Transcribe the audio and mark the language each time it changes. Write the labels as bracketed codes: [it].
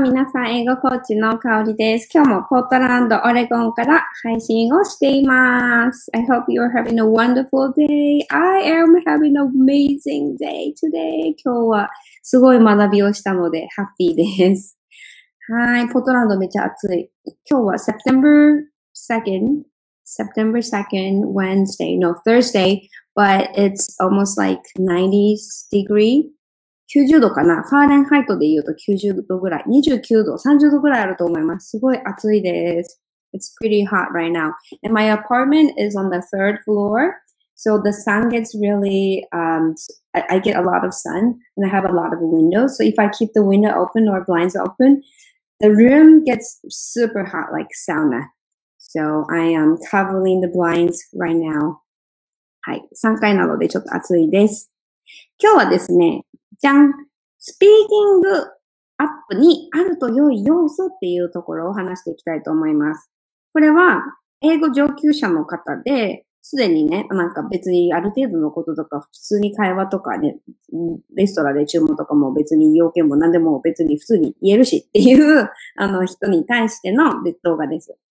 [ja] 皆さん、英語コーチの香里です。今日もポートランド、オレゴンから配信をしています。 [en] I hope you're having a wonderful day. I am having an amazing day today. [ja] 今日はすごい学びをしたので、ハッピーです。はい、ポートランドめっちゃ暑い。今日は [en] September 2nd, Wednesday, no, Thursday, but it's almost like 90s degree. [ja] 90度かな? ファーレンハイトで言うと90度ぐらい。29度、30度ぐらいあると思います。すごい暑いです。 [en] It's pretty hot right now. And my apartment is on the third floor. So the sun gets really, I get a lot of sun and I have a lot of windows. So if I keep the window open or blinds open, the room gets super hot like sauna. So I am covering the blinds right now. [ja] はい。 3階なのでちょっと暑いです。今日はですね、じゃん、スピーキングアップにあると良い要素っていうところを話していきたいと思います。これは英語上級者の方で、すでにね、なんか別にある程度のこととか、普通に会話とかね、レストランで注文とかも別に要件も何でも別に普通に言えるしっていう、人に対しての動画です。